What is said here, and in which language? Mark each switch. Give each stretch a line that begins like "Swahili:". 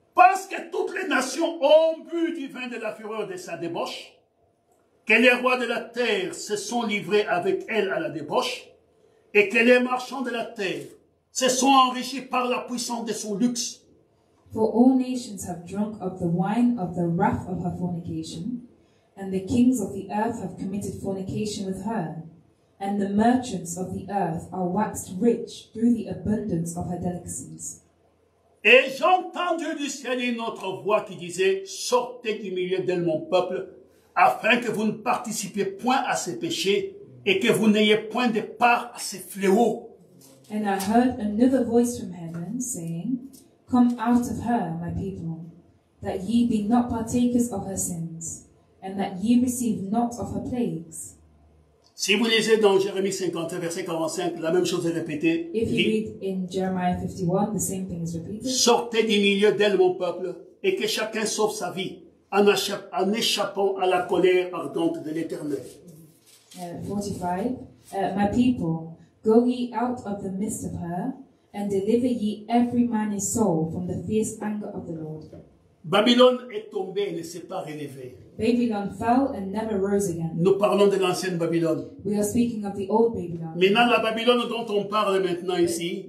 French: parce que toutes les nations ont bu du vin de la fureur de sa débauche, que les rois de la terre se sont livrés avec elle à la débauche, et que les marchands de la terre se sont enrichis par la puissance de son luxe.
English: For all nations have drunk of the wine of the wrath of her fornication, and the kings of the earth have committed fornication with her, and the merchants of the earth are waxed rich through the abundance of her delicacies.
French: Et j'entendis du ciel une autre voix qui disait, sortez du milieu d'elle, mon peuple, afin que vous ne participiez point à ses péchés et que vous n'ayez point de part à ses fléaux.
English: And I heard another voice from heaven saying, Come out of her, my people, that ye be not partakers of her sins, and that ye receive not of her plagues.
French: Si vous lisez dans Jérémie 50, verset 45, la même chose est répétée.
English: If you read in Jeremiah 51, the same thing is repeated.
French: Sortez du milieu d'elle, mon peuple, et que chacun sauve sa vie, en échappant à la colère ardente de l'Éternel.
English: 45. My people, go ye out of the midst of her, and deliver ye every man his soul from the fierce anger of the Lord.
French: Babylone est tombée et ne s'est pas relevée.
English: Babylon fell and never rose again.
French: Nous parlons de l'ancienne Babylone.
English: We are speaking of the old Babylon.
French: Maintenant, la Babylone dont on parle maintenant ici,